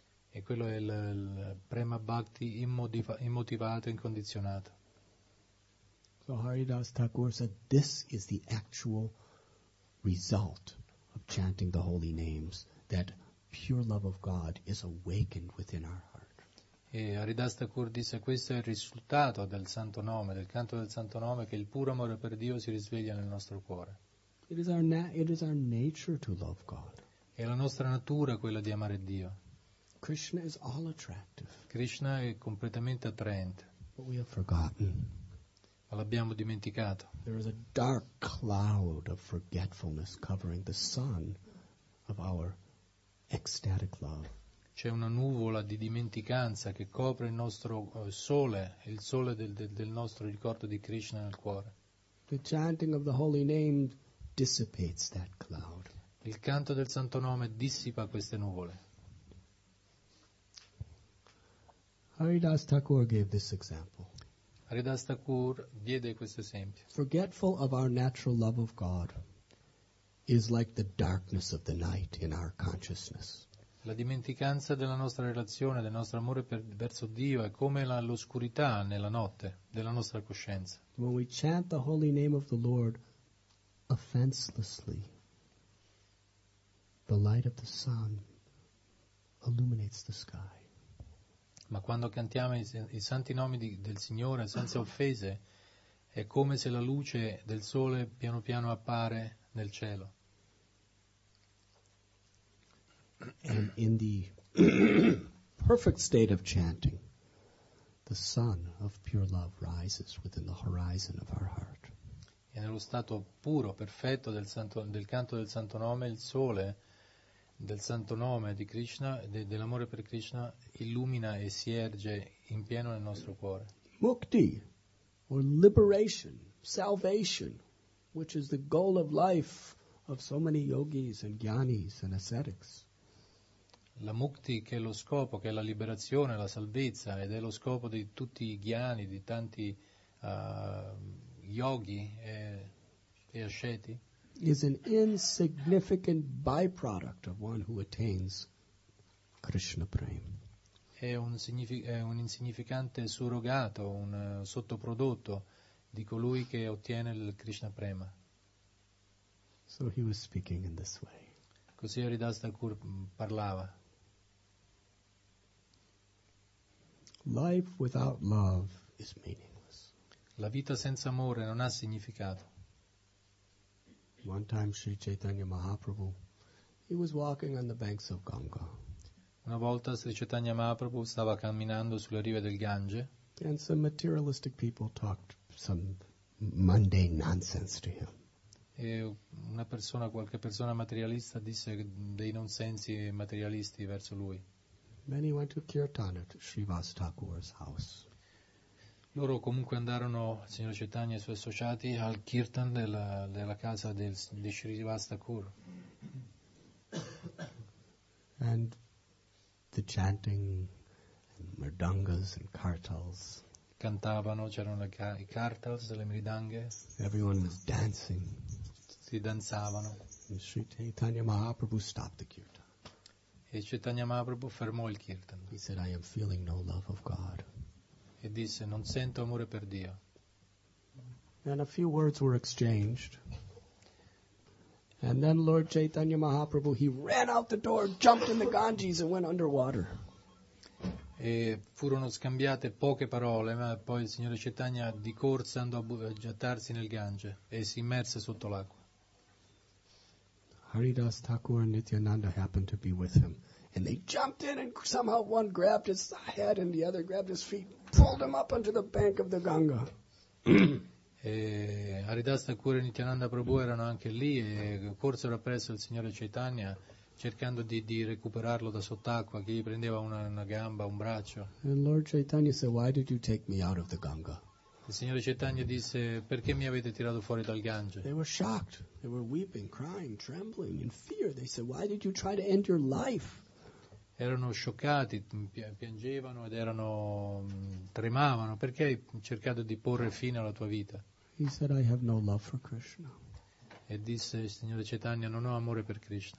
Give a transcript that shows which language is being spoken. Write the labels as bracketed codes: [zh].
[it] E quello è il prema bhakti immotivato, incondizionato. [en] So Haridas Thakur said, this is the actual result of chanting the holy names, that pure love of God is awakened within our heart. [it] E Haridas Thakur disse, questo è il risultato del santo nome, del canto del santo nome, che il puro amore per Dio si risveglia nel nostro cuore. [en] It is our nature to love God. [it] È la nostra natura quella di amare Dio. [en] Krishna is all attractive. [it] Krishna è completamente attraente. [en] But we have forgotten. [it] Ma l'abbiamo dimenticato. [en] There is a dark cloud of forgetfulness covering the sun of our ecstatic love. [it] C'è una nuvola di dimenticanza che copre il nostro sole, il sole del nostro ricordo di Krishna nel cuore. [en] The chanting of the holy name dissipates that cloud. [it] Il canto del santo nome dissipa queste nuvole. [en] Haridas Thakur gave this example. [it] Haridas Thakur diede questo esempio. [en] Forgetful of our natural love of God is like the darkness of the night in our consciousness. [it] La dimenticanza della nostra relazione, del nostro amore verso Dio è come l'oscurità nella notte della nostra coscienza. [en] When we chant the holy name of the Lord offenselessly, the light of the sun illuminates the sky. [it] Ma quando cantiamo i santi nomi del Signore senza offese, è come se la luce del sole piano piano appare nel cielo. [en] And in the perfect state of chanting, the sun of pure love rises within the horizon of our heart. [it] E nello stato puro, perfetto del canto del santo nome, il sole del santo nome di Krishna, dell'amore per Krishna, illumina e si erge in pieno nel nostro cuore. [en] Mukti, or liberation, salvation, which is the goal of life of so many yogis and jnanis and ascetics. [it] La mukti, che è lo scopo, che è la liberazione, la salvezza, ed è lo scopo di tutti i jnani, di tanti yogi e asceti, [en] is an insignificant byproduct of one who attains Krishna prema. [it] È un insignificante surrogato, un sottoprodotto di colui che ottiene il Krishna prema. [en] So he was speaking in this way. [it] Così Haridas Thakur parlava. [en] Life without love is meaningless. [it] La vita senza amore non ha significato. [en] One time Sri Chaitanya Mahaprabhu, he was walking on the banks of Ganga. [it] Una volta Sri Chaitanya Mahaprabhu stava camminando sulle rive del Gange. [en] And some materialistic people talked some mundane nonsense to him. [it] E qualche persona materialista disse dei nonsensi materialisti verso lui. [en] Then he went to Kirtan at Srivas Thakur's house. [it] Loro comunque andarono, signor Chaitanya e i suoi associati, al kirtan della casa di Srivas Thakur. [en] And the chanting and mridangas and kartals. [it] Cantavano, c'erano i kartals, le mridanghe. [en] Everyone was dancing. [it] Si danzavano. [en] Sri Chaitanya Mahaprabhu stopped the kirtan. [it] E Chaitanya Mahaprabhu fermò il kirtan. [en] He said, "I am feeling no love of God." [it] E disse, "Non sento amore per Dio." [en] And a few words were exchanged. And then Lord Chaitanya Mahaprabhu, he ran out the door, jumped in the Ganges, and went underwater. [it] E furono scambiate poche parole, ma poi il signore Chaitanya di corsa andò a gettarsi nel Gange e si immerse sotto l'acqua. [en] Haridas Thakur and Nityananda happened to be with him, and they jumped in, and somehow one grabbed his head and the other grabbed his feet, pulled him up onto the bank of the Ganga. [it] E Haridas Thakur e Nityananda Prabhu erano anche lì e corsero appresso il signore Chaitanya cercando di recuperarlo da sott'acqua, che gli prendeva una gamba, un braccio. [en] And Lord Chaitanya said, "Why did you take me out of the Ganga?" [it] Il signore Chaitanya disse, "Perché mi avete tirato fuori dal Gange?" [en] They were shocked. They were weeping, crying, trembling in fear. They said, "Why did you try to end your life?" [it] Erano scioccati, piangevano ed erano tremavano. Perché hai cercato di porre fine alla tua vita? [en] He said, "I have no love for Krishna." [it] E disse il signore Chaitanya, "Non ho amore per Krishna."